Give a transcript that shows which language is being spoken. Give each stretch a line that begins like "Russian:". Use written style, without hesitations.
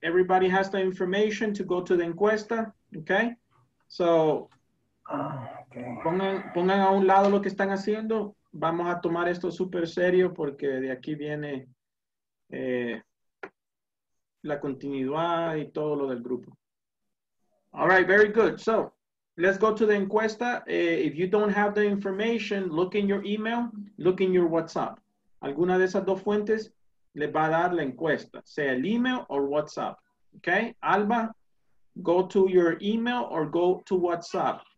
English: Everybody has the information to go to the encuesta, okay?
Spanish: So pongan a un lado lo que están haciendo. Vamos a tomar esto súper serio porque de aquí viene la continuidad y todo lo del grupo.
English: All right, very good. So let's go to the encuesta. If you don't have the information, look in your email, look in your WhatsApp.
Spanish: Alguna de esas dos fuentes le va a dar la encuesta, sea el email o WhatsApp.
English: Okay, Alba, go to your email or go to WhatsApp.